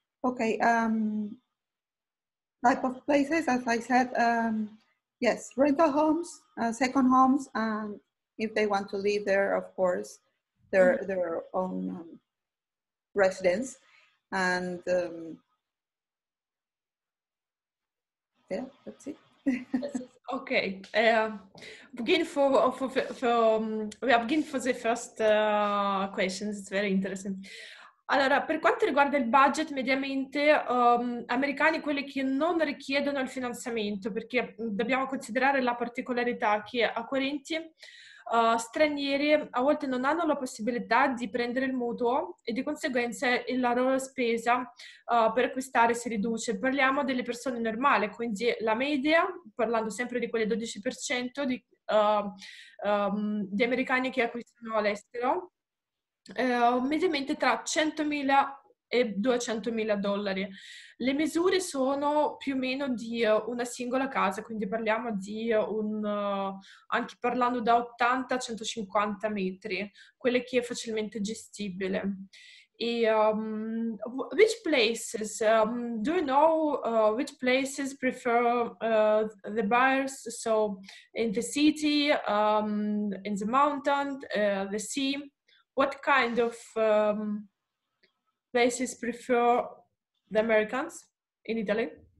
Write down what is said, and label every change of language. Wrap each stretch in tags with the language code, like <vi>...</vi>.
<en>Okay, type of places, as I said, yes, rental homes, second homes, and if they want to live there, of course, their own residence. And yeah, that's it. Okay, begin for the first question, it's very interesting.</en> <it>Allora, per quanto riguarda il budget, mediamente americani quelli che non richiedono il finanziamento, perché dobbiamo considerare la particolarità che acquirenti stranieri a volte non hanno la possibilità di prendere il mutuo e di conseguenza la loro spesa per acquistare si riduce. Parliamo delle persone normali, quindi la media, parlando sempre di quelle 12% di americani che acquistano all'estero, mediamente tra 100.000 e 200.000 dollari. Le misure sono più o meno di una singola casa, quindi parliamo di anche parlando da 80 a 150 metri, quelle che è facilmente gestibile.</it> <en>E, which places, do you know which places prefer the buyers? So in the city, in the mountain, the sea? What kind of places prefer the Americans in Italy?</en>